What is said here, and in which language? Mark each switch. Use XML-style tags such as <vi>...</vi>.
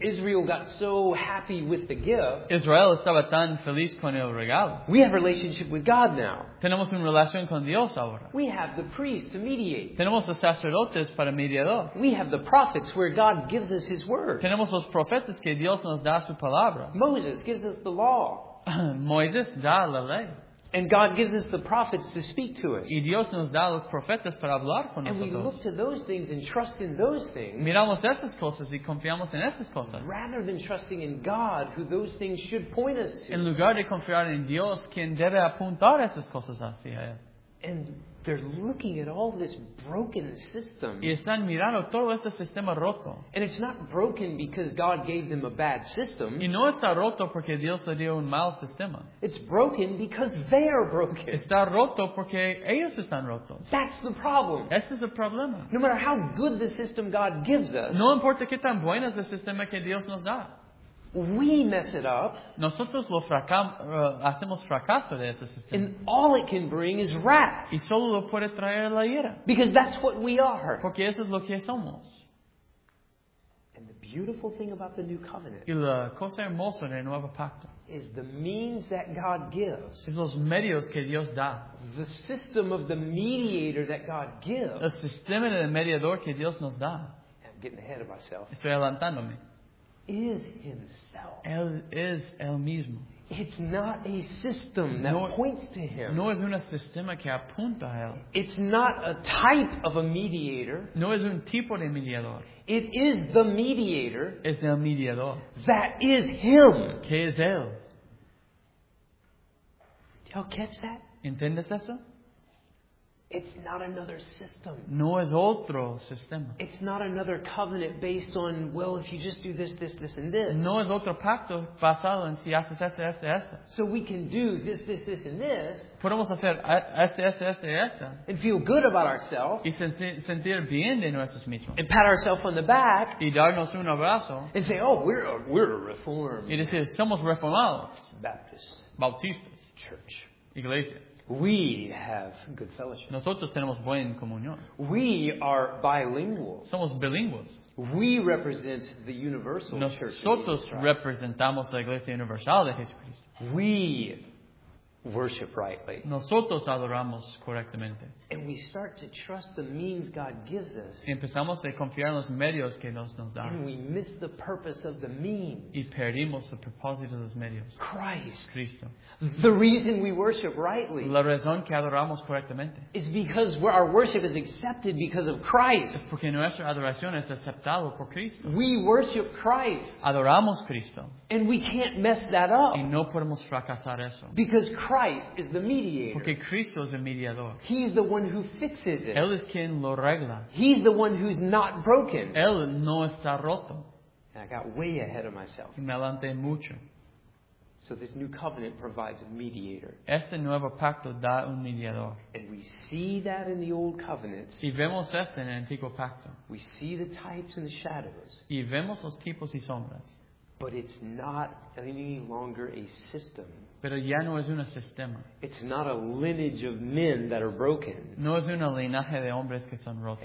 <en>Israel got so happy with the gift.</en> <es>Israel estaba tan feliz con el regalo.</es> <en>We have a relationship with God now.</en> <es>Tenemos una relación con Dios ahora.</es> <en>We have the priest to mediate.</en> <es>Tenemos los sacerdotes para mediador.</es> <en>We have the prophets where God gives us his word.</en> <es>Tenemos los profetas que Dios nos da su palabra.</es> <en>Moses gives us the law.</en> <es>Moisés da la ley.</es> <en>And God gives us the prophets to speak to us.</en> <es>Y Dios nos da los profetas para hablar con</es> <en>nosotros. And we look to those things and trust in those things.</en> <es>Miramos esas cosas y confiamos en esas cosas.</es> <en>Rather than trusting in God, who those things should point us to.</en> <es>En lugar de confiar en Dios, quien debe apuntar esas cosas hacia él.</es> <en>And they're looking at all this broken system.</en> <es>Y están mirando todo este sistema roto.</es> <en>And it's not broken because God gave them a bad system.</en> <es>Y no está roto porque Dios le dio un mal sistema.</es> <en>It's broken because they are broken.</en> <es>Está roto porque ellos están rotos.</es> <en>That's the problem.</en> <es>Ese es el problema.</es> <en>No matter how good the system God gives us.</en> <es>No importa qué tan bueno es el sistema que Dios nos da.</es> <en>We mess it up.</en> <es>Nosotros lo hacemos fracaso de ese sistema.</es> <en>And all it can bring is wrath.</en> <es>Y solo lo puede traer la ira.</es> <en>Because that's what we are.</en> <es>Porque eso es lo que somos.</es> <en>And the beautiful thing about the new covenant.</en> <es>Y la cosa hermosa del nuevo pacto.</es> <en>Is the means that God gives.</en> <es>Es los medios que Dios da.</es> <en>The system of the mediator that God gives.</en> <es>El sistema del mediador que Dios nos da.</es> <en>I'm getting ahead of myself.</en> <es>Estoy adelantándome.</es> <en>Is himself.</en> <es>Él es el mismo.</es> <en>It's not a system that points to him.</en> <es>No es un sistema que apunta a él.</es> <en>It's not a type of a mediator.</en> <es>No es un tipo de mediador.</es> <en>It is the mediator.</en> <es>Es el mediador.</es> <en>That is him.</en> <es>Que es él.</es> <en>Do y'all catch that?</en> <es>¿Entiendes eso?</es> <en>It's not another system.</en> <es>No es otro sistema.</es> <en>It's not another covenant based on, well, if you just do this, this, this, and this.</en> <es>No es otro pacto basado en si haces este, este, este.</es> <en>So we can do this, this, this, and this.</en> <es>Podemos hacer este, este, este, este.</es> <en>And feel good about ourselves.</en> <es>Y sentir bien de nosotros mismos.</es> <en>And pat ourselves on the back.</en> <es>Y darnos un abrazo.</es> <en>And say, oh, we're reformed.</en> <es>Y decir, somos reformados.</es> <en>Baptists.</en> <es>Bautistas.</es> <en>Church.</en> <es>Iglesia.</es> <en>We have good fellowship.</en> <es>Nosotros tenemos buen comunión.</es> <en>We are bilingual.</en> <es>Somos bilingües.</es> <en>We represent the universal church.</en> <es>Nosotros representamos la iglesia universal de Jesucristo.</es> <en>We worship rightly.</en> <es>Nosotros adoramos correctamente.</es> <en>And we start to trust the means God gives us.</en> <es>Y empezamos a confiar en los medios que nos da.</es> <en>And we miss the purpose of the means.</en> <es>Y perdimos el propósito de los medios.</es> <en>Christ.</en> <es>Cristo.</es> <en>The reason we worship rightly.</en> <es>La razón que adoramos correctamente.</es> <en>Is because our worship is accepted because of Christ.</en> <es>Es porque nuestra adoración es aceptada por Cristo.</es> <en>We worship Christ.</en> <es>Adoramos Cristo.</es> <en>And we can't mess that up.</en> <es>Y no podemos fracasar eso.</es> <en>Because Christ is the mediator.</en> <es>Porque Cristo es el mediador.</es> <en>He's the one who fixes it.</en> <es>Él es quien lo regla.</es> <en>He's the one who's not broken.</en> <es>Él no está roto.</es> <en>And I got way ahead of myself.</en> <es>Y me adelanté mucho.</es> <en>So this new covenant provides a mediator.</en> <es>Este nuevo pacto da un mediador.</es> <en>And we see that in the old covenant.</en> <es>Y vemos esto en el antiguo pacto.</es> <en>We see the types and the shadows.</en> <es>Y vemos los tipos y sombras.</es> <en>But it's not any longer a system.</en> <es>Pero ya no es un sistema.</es> <en>It's not a lineage of men that are broken.</en> <es>No es un linaje de hombres que son rotos.</es>